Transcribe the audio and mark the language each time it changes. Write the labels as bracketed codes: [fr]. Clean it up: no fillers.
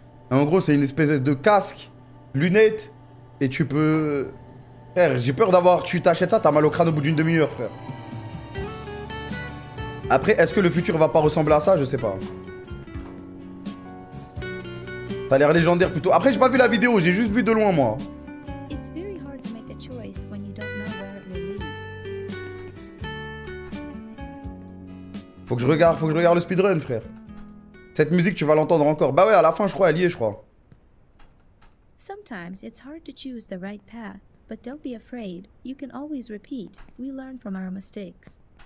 [fr] En gros, c'est une espèce de casque, lunettes, et tu peux. Frère, j'ai peur d'avoir. Tu t'achètes ça, t'as mal au crâne au bout d'une demi-heure, frère. Après, est-ce que le futur va pas ressembler à ça? Je sais pas. T'as l'air légendaire plutôt. Après, j'ai pas vu la vidéo, j'ai juste vu de loin, moi. [en] It's very hard to make a choice when you don't know where it will lead. [fr] Faut que je regarde le speedrun, frère. Cette musique, tu vas l'entendre encore. Bah ouais, à la fin, je crois, elle y est, je crois. [en] Sometimes it's hard to choose the right path, but don't be afraid. You can always repeat. We learn from our mistakes.